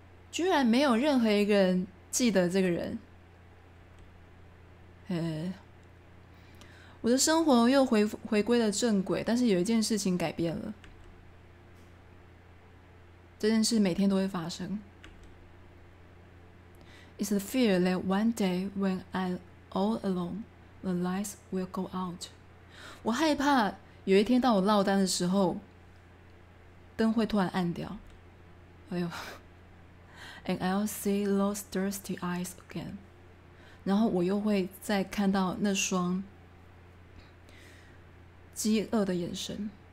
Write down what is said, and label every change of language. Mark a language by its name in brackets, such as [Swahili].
[Chinese] 居然没有任何一个人记得这个人。我的生活又回归了正轨，但是有一件事情改变了。这件事每天都会发生。 [English] It's the fear that one day when I'm all alone, the lights will go out. [Chinese] 我害怕有一天当我落单的时候，灯会突然暗掉。 [English] 哎呦。And I'll see those thirsty eyes again. [Chinese] 然后我又会再看到那双饥饿的眼神。